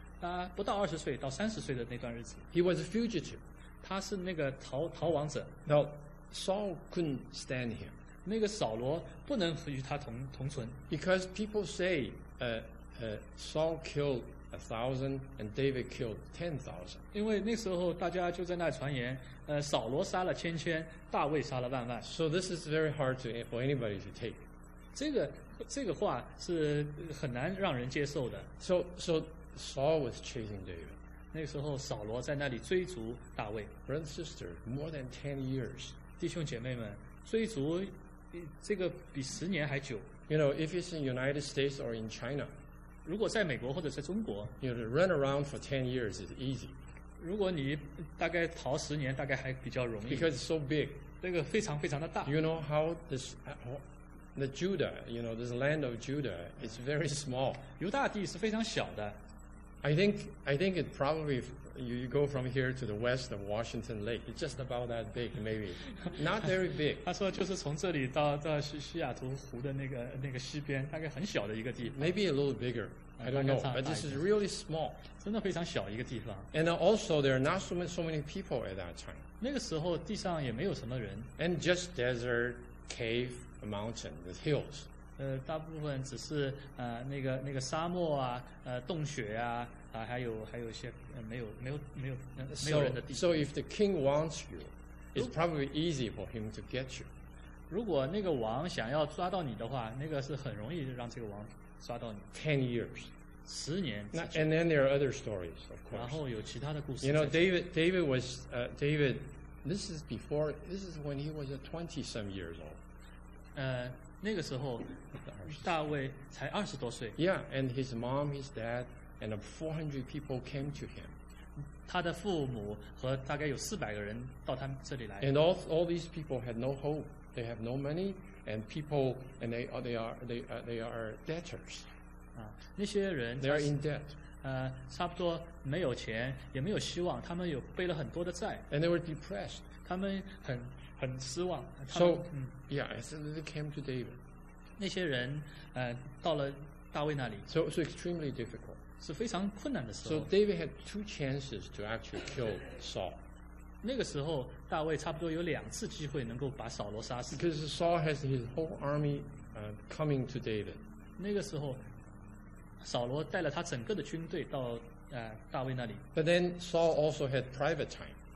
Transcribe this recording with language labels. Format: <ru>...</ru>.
<zh>他不到二十岁到三十岁的那段日子。</zh> <en>He was a fugitive.</en> <zh>他是那个逃亡者。</zh> <en>Now Saul couldn't stand him.</en> <zh>那个扫罗不能与他同存</zh> <en>，because people say, Saul killed 1,000 and David killed 10,000.</en> <zh>因为那时候大家就在那传言，扫罗杀了千千，大卫杀了万万。</zh> <en>So this is very hard for anybody to take.</en> <zh>这个话是很难让人接受的。</zh> <en>So Saul was chasing David.</en> <zh>那时候扫罗在那里追逐大卫。</zh> <en>Brother and sister, more than 10 years.</en> <zh>弟兄姐妹们。追逐这个比十年还久。</zh> <en>You know, if it's in the United States or in China,</en> <zh>如果在美国或者在中国</zh> <en>you know, run around for 10 years is easy.</en> <zh>如果你大概逃十年大概还比较容易。</zh> <en>Because it's so big.</en> <zh>这个非常非常的大。</zh> <en>You know how this, the Judah, you know, this land of Judah is very small.</en> <zh>犹大地是非常小的。</zh> <en>I think it probably you go from here to the west of Washington Lake. It's just about that big, maybe. Not very big.</en> <zh>他说就是从这里到西雅图湖的那个西边，大概很小的一个地方。</zh> <en>Maybe a little bigger. I don't know. But this is really small.</en> <zh>真的非常小一个地方。</zh> <en>And also, there are not so many people at that time.</en> <zh>那个时候地上也没有什么人。</zh> <en>And just desert, cave, a mountain, the hills.</en> <zh>大部分只是那个沙漠啊，洞穴啊，还有一些没有人的地方。</zh> <en>So if the king wants you, it's probably easy for him to get you.</en> <zh>如果那个王想要抓到你的话，那个是很容易让这个王抓到你。</zh> <en>10 years,</en> <zh>十年。</zh> <en>And then there are other stories, of course.</en> <zh>然后有其他的故事。</zh> <en>You know, David was David. This is before. This is when he was 20-some years old.</en> <zh>那个时候大卫才二十多岁。</zh> <en>Yeah, and his mom, his dad, and 400 people came to him.</en> <zh>他的父母和大概有400个人到他这里来。</zh> <en>And all these people had no hope. They have no money, and people, and they are debtors.</en> <zh>那些人</zh> <en>They are in debt.</en> <zh>差不多没有钱，也没有希望，他们有背了很多的债。</zh> <en>And they were depressed.</en> <zh>他们很很失望。</zh> <en>So, yeah, they came to David.</en> <zh>那些人，到了大卫那里。</zh> <en>So extremely difficult.</en> <zh>是非常困难的时候。</zh> <en>So David had two chances to actually kill Saul.</en> <zh>那个时候，大卫差不多有两次机会能够把扫罗杀死。</zh> <en>Because Saul has his whole army, coming to David.</en> <zh>那个时候，扫罗带了他整个的军队到大卫那里。</zh> <en>But then Saul also had private time.</en>